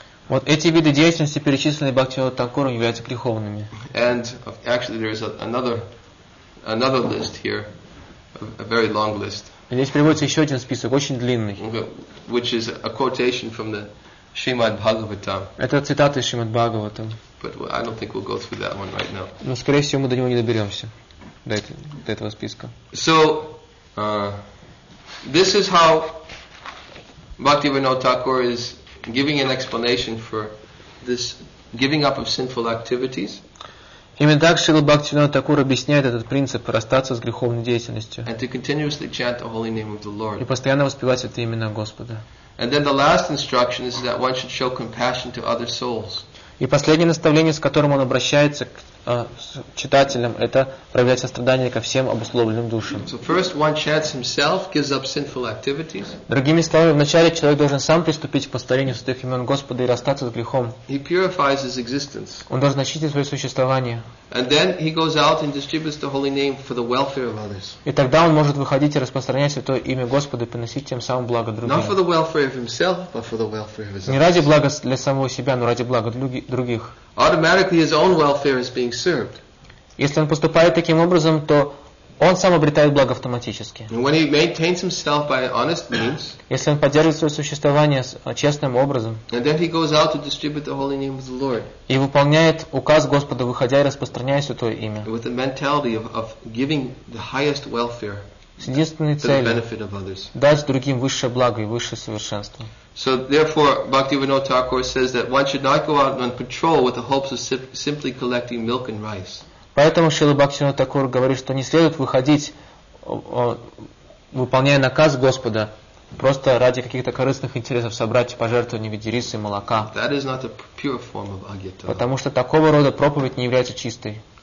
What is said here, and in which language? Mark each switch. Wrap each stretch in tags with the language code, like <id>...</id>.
<ru>Вот эти виды деятельности, перечисленные Бхактивинода Такуром, являются греховными.</ru> <en>And actually, there is another list here, a very long list.</en> <ru>Здесь приводится еще один список, очень длинный.</ru> <en>Which is a quotation from the Shrimad Bhagavatam.</en> <ru>Это цитата из Шримад Бхагаватам.</ru> <en>But I don't think we'll go through that one right now.</en> <ru>Но, скорее всего, мы до него не доберемся, до этого списка.</ru> <en>So, this is how Bhaktivinoda Thakur is giving an explanation for this giving up of sinful activities.</en> <ru>Именно так Шрила Бхактивинода Такур объясняет этот принцип расстаться с греховной деятельностью.</ru> <en>And to continuously chant the holy name of the Lord.</en> <ru>И постоянно воспевать это имя Господа.</ru> <en>And then the last instruction is that one should show compassion to other souls.</en> <ru>И последнее наставление, с которым он обращается к читателям, это проявлять сострадание ко всем обусловленным душам.</ru> <en>So first one chants himself, gives up sinful activities.</en> <ru>Другими словами, вначале человек должен сам приступить к повторению святых имен Господа и расстаться с грехом.</ru> <en>He purifies his existence.</en> <ru>Он должен очистить свое существование.</ru> <en>And then he goes out and distributes the holy name for the welfare of others.</en> <ru>И тогда он может выходить и распространять святое имя Господа и приносить тем самым благо другим.</ru> <en>Not for the welfare of himself, but for the welfare of others.</en> <ru>Не ради блага для самого себя, но ради блага других.</ru> <en>Automatically his own welfare is being served.</en> <ru>Если он поступает таким образом, то он сам обретает благо автоматически.</ru> <en>And when he maintains himself by honest means.</en> <ru>Если он поддерживает свое существование честным образом.</ru> <en>And then he goes out to distribute the holy name of the Lord.</en> <ru>И выполняет указ Господа, выходя и распространяя святое имя.</ru> <en>With the mentality of giving the highest welfare.</en> <ru>С единственной целью дать другим высшее благо и высшее совершенство.</ru> <en>So therefore, Bhaktivinoda Thakur says that one should not go out on patrol with the hopes of simply collecting milk and rice.</en> <ru>Поэтому Шрила Бхактивинода Такур говорит, что не следует выходить, выполняя наказ Господа, просто ради каких-то корыстных интересов собрать пожертвования в виде риса и молока.</ru> <en>That is not a pure form of agita.</en> <ru>Потому что такого рода проповедь не является чистой.</ru>